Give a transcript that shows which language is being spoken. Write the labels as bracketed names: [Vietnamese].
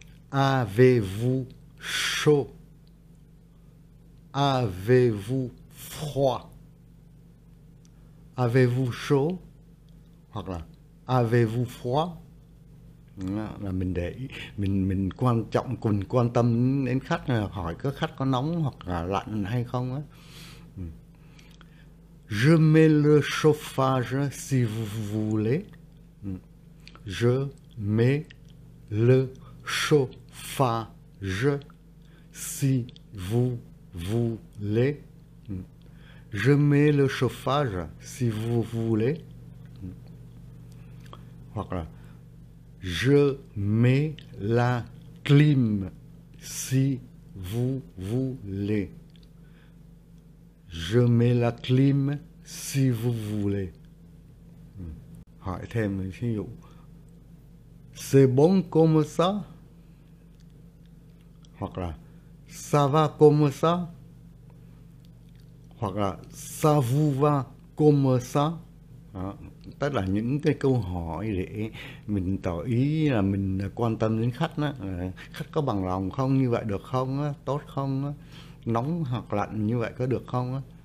[French] Avez-vous chaud? Avez-vous froid? Avez-vous chaud? [Vietnamese] Hoặc là [French] avez-vous froid? [Vietnamese] Là mình để ý, mình quan trọng cùng quan tâm đến khách, là hỏi có khách có nóng hoặc là lạnh hay không á. [French] Je mets le chauffage si vous voulez. Je mets le chauffage si vous voulez. Je mets le chauffage si vous voulez. [Vietnamese] Hoặc là [French] je mets la clim si vous voulez. Je mets la clim si vous voulez. [Vietnamese] Hỏi thêm ví dụ. [French] C'est bon comme ça? [Vietnamese] Hoặc là [French] ça va comme ça? Hoặc là ça vous va comme ça? [Vietnamese] Đó. Tức là những cái câu hỏi để mình tỏ ý là mình quan tâm đến khách đó. Khách có bằng lòng không, như vậy được không đó? Tốt không đó? Nóng hoặc lạnh như vậy có được không đó?